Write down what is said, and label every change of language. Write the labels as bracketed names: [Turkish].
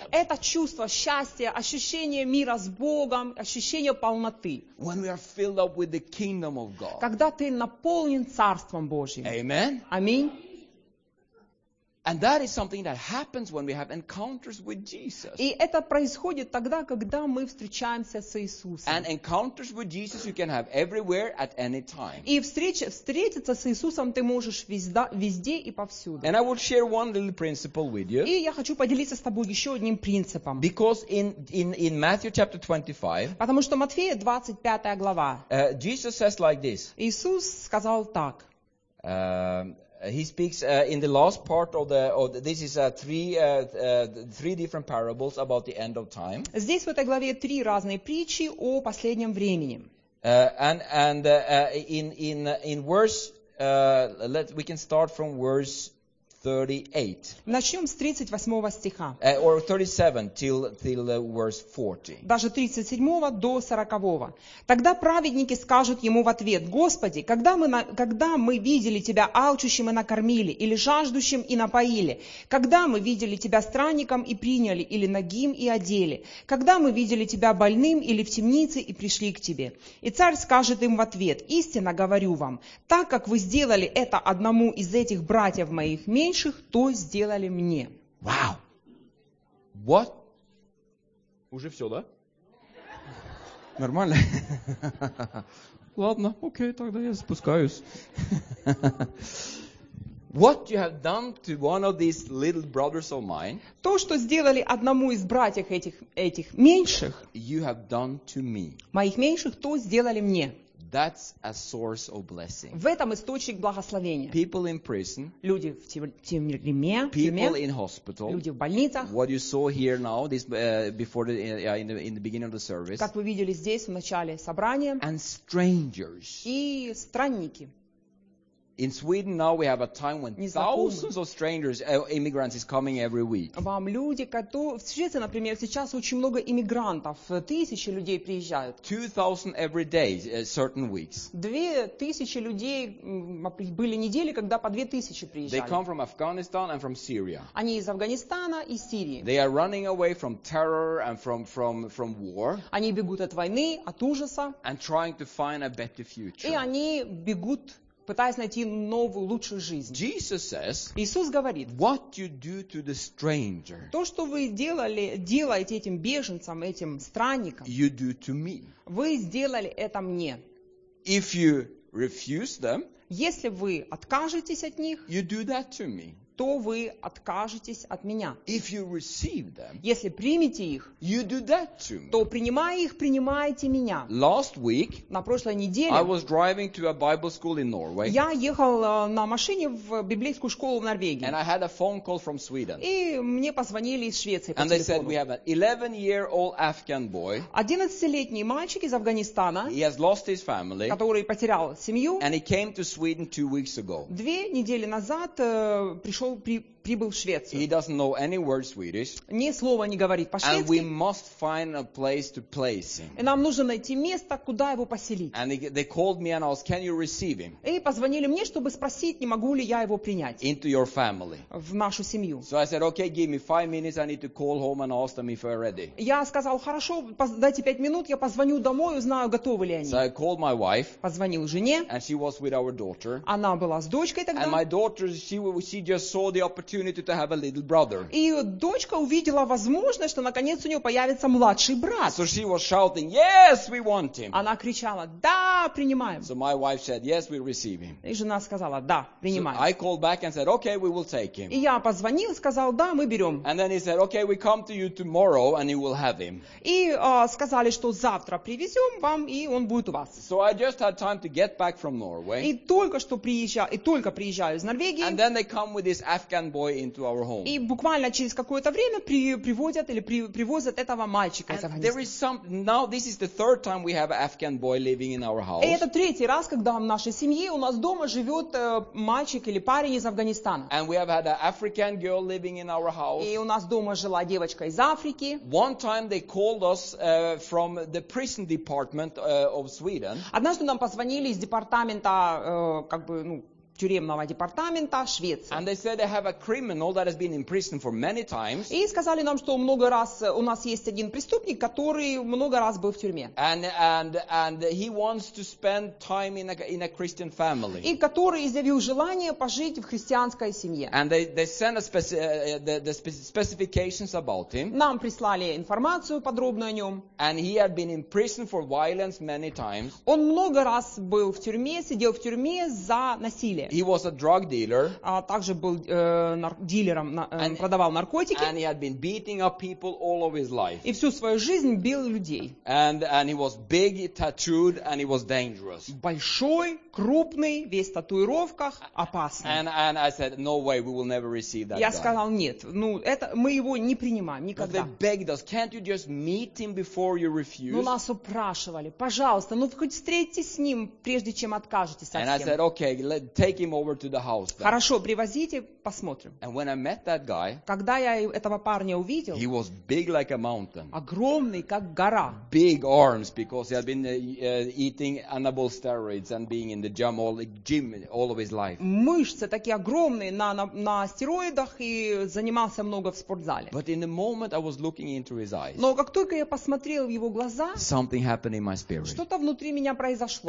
[Russian] Это чувство счастья, ощущение мира с Богом, ощущение полноты. [English] When we are filled up with the kingdom of God. [Russian] Когда ты наполнен царством Божьим. [English] Amen. [Russian] Аминь. [English] And that is something that happens when we have encounters with Jesus. [Russian] И это происходит тогда, когда мы встречаемся с Иисусом. [English] And encounters with Jesus you can have everywhere at any time. [Russian] И встретиться с Иисусом ты можешь везде и повсюду. [English] And I will share one little principle with you. [Russian] И я хочу поделиться с тобой еще одним принципом. [English] Because in Matthew chapter 25. [Russian] Потому что Матфея 25 глава. [English] Jesus says like this. [Russian] Иисус сказал так. [English] He speaks in the last part of the. This is three different parables about the end of time. [Russian] Здесь в этой главе три разные притчи о последнем времени. [English] In verse, we can start from verse 38. [Russian] Начнем с 38 стиха. [English] Or 37 till verse 40. [Russian] Даже 37 до 40. Тогда праведники скажут ему в ответ: Господи, когда мы видели тебя алчущим и накормили, или жаждущим и напоили, когда мы видели тебя странником и приняли, или нагим и одели, когда мы видели тебя больным или в темнице и пришли к тебе. И царь скажет им в ответ: Истинно говорю вам, так как вы сделали это одному из этих братьев моих меньше, то сделали мне. [English] Wow. What? [Russian] Уже все, да? Нормально? Ладно, окей, тогда я спускаюсь. [English] What you have done to one of these little brothers of mine? [Russian] То, что сделали одному из братьев этих меньших. [English] You have done to me. [Russian] Моих меньших то сделали мне. [English] That's a source of blessing. [Russian] В этом источник благословения. [English] People in prison. [Russian] Люди в тюрьме. [English] People in hospital. [Russian] Люди в больницах. [English] What you saw here now, this before the, in the beginning of the service. [Russian] Как вы видели здесь в начале собрания. [English] And strangers. [Russian] И странники. [English] In Sweden now we have a time when thousands of strangers, immigrants is coming every week. [Russian] Вам люди, которые в Швеции, например, сейчас очень много иммигрантов, тысячи людей приезжают. [English] 2,000 every day, certain weeks. [Russian] 2,000 людей были недели, когда по 2,000 приезжали. [English] They come from Afghanistan and from Syria. [Russian] Они из Афганистана и Сирии. [English] They are running away from terror and from war. [Russian] Они бегут от войны, от ужаса. [English] And trying to find a better future. [Russian] И они бегут. Пытаясь найти новую, лучшую жизнь. [English] Jesus says, [Russian] Иисус говорит, [English] what you do to the stranger, [Russian] то, что вы делаете этим беженцам, этим странникам, [English] you do to me. [Russian] Вы сделали это мне. [English] If you refuse them, [Russian] если вы откажетесь от них, [English] you do that to me. [Russian] то вы откажетесь от меня. [English] If you receive them, [Russian] если примете их, [English] you do that to me. [Russian] То принимая их, принимаете меня. [English] Last week, [Russian] на прошлой неделе, [English] I was driving to a Bible school in Norway, [Russian] я ехал на машине в библейскую школу в Норвегии. [English] And I had a phone call from Sweden. [Russian] И мне позвонили из Швеции по телефону. [English] And they said, we have an 11-year-old Afghan boy, [Russian] 11-летний мальчик из Афганистана, [English] he has lost his family, [Russian] который потерял семью, [English] and he came to Sweden 2 weeks ago. [Russian] 2 недели назад прибыл в Швецию. [English] He doesn't know any word Swedish. [Russian] Ни слова не говорит по-шведски. [English] And we must find a place to place him. [Russian] И нам нужно найти место, куда его поселить. [English] And they called me and asked, "Can you receive him?" [Russian] И позвонили мне, чтобы спросить, не могу ли я его принять. [English] Into your family. [Russian] В нашу семью. [English] So I said, "Okay, give me 5 minutes. I need to call home and ask them if they're ready." [Russian] Я сказал, хорошо, дайте 5 минут, я позвоню домой, узнаю, готовы ли они. [English] So I called my wife. [Russian] Позвонил жене. [English] And she was with our daughter. [Russian] Она была с дочкой тогда. [English] And my daughter, she just saw the opportunity. To have a little brother. [Russian] И дочка увидела возможность, что наконец у нее появится младший брат. [English] So she was shouting, "Yes, we want him." [Russian] Она кричала, "Да, принимаем." [English] So my wife said, "Yes, we receive him." [Russian] И жена сказала, "Да, принимаем." [English] So I called back and said, "Okay, we will take him." [Russian] И я позвонил, сказал, "Да, мы берем." [English] And then he said, "Okay, we come to you tomorrow and you will have him." [Russian] И сказали, что завтра привезем вам и он будет у вас. [English] So I just had time to get back from Norway. [Russian] И только что приезжаю из Норвегии. [English] And then they come with this Afghan boy into our home. [Russian] И буквально через какое-то время привозят этого мальчика из Афганистана. [English] There is some, now this is the third time we have an Afghan boy living in our house. [Russian] И это третий раз, когда в нашей семье у нас дома живет мальчик или парень из Афганистана. [English] And we have had an African girl living in our house. [Russian] И у нас дома жила девочка из Африки. [English] One time they called us from the prison department of Sweden. [Russian] Однажды нам позвонили из департамента тюремного департамента Швеции. [English] And they said they have a criminal that has been in prison for many times. [Russian] И сказали нам, что много раз у нас есть один преступник, который много раз был в тюрьме. [English] And he wants to spend time in a Christian family. [Russian] И который изъявил желание пожить в христианской семье. [English] And they sent us the specifications about him. [Russian] Нам прислали информацию подробную о нем. [English] And he had been in prison for violence many times. [Russian] Он много раз был в тюрьме, сидел в тюрьме за насилие. [English] He was a drug dealer. [Russian] Также был дилером, продавал наркотики. [English] And he had been beating up people all of his life. [Russian] И всю свою жизнь бил людей. [English] And he was big, tattooed, and he was dangerous. [Russian] Большой, крупный, весь в татуировках, опасный. [English] And I said, no way, we will never receive that [Russian] Я [English] guy. [Russian] Сказал, нет, мы его не принимаем никогда. [English] But they begged us, can't you just meet him before you refuse? [Russian] Ну, нас упрашивали, пожалуйста, хоть встретитесь с ним, прежде чем откажетесь от [English] And [Russian] всем. [English] I said, okay, take him over to the house. Then. [Russian] Хорошо, привозите, посмотрим. [English] And when I met that guy, [Russian] когда я этого парня увидел, [English] he was big like a mountain. [Russian] Огромный, как гора. [English] Big arms because he had been eating anabol steroids and being in the gym all of his life. [Russian] Мышцы такие огромные на стероидах и занимался много в спортзале. [English] But in the moment I was looking into his eyes. [Russian] Но как только я посмотрел в его глаза, [English] something happened in my spirit. [Russian] Что-то внутри меня произошло.